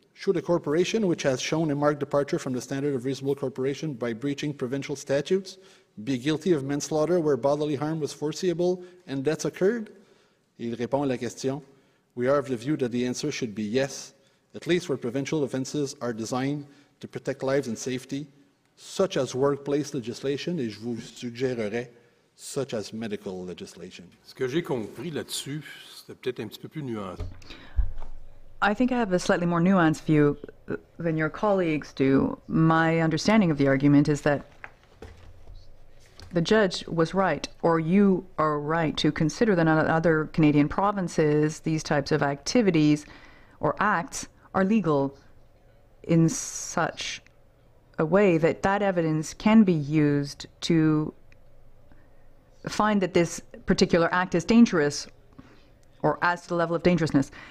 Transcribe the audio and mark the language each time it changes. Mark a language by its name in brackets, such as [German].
[English] Should a corporation which has shown a marked departure from the standard of reasonable corporation by breaching provincial statutes be guilty of manslaughter where bodily harm was foreseeable and deaths occurred? [French] Il répond à la question. [English] We are of the view that the answer should be yes, at least where provincial offenses are designed to protect lives and safety, such as workplace legislation, [French] et je vous suggérerais, [English] such as medical legislation. [French] Ce que j'ai compris là-dessus, c'est peut-être un petit peu plus nuancé. [English] I think I have a slightly more nuanced view than your colleagues do. My understanding of the argument is that the judge was right, or you are right, to consider that in other Canadian provinces, these types of activities or acts are legal in such a way that that evidence can be used to find that this particular act is dangerous or adds to the level of dangerousness.